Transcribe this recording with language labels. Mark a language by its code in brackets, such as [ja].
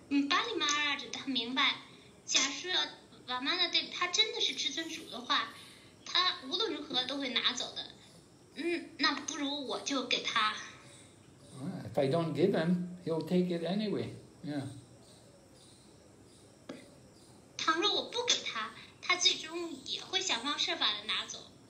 [zh] 巴利马哈拉智他明白，假设瓦曼纳德他真的是至尊主的话，他无论如何都会拿走的。那不如我就给他。 [en] If I don't give him, he'll take it anyway. Yeah. [zh] 倘若我不给他，他最终也会想方设法的拿走。